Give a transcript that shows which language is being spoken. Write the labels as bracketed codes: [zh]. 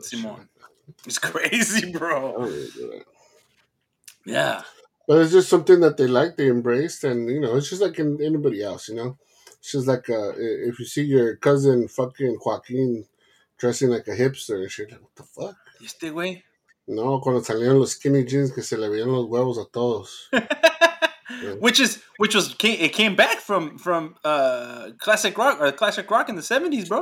[en] Simon. It's crazy, bro. Yeah. But it's just something that they like, they embraced, and, you know, it's just like in anybody else, you know? It's just like if you see your cousin fucking Joaquin dressing like a hipster and shit, like, what the fuck? You [es] este güey? No, cuando salieron los skinny jeans que se le veían los huevos a todos. [en] Yeah. Which came back from classic rock or classic rock in the '70s, bro.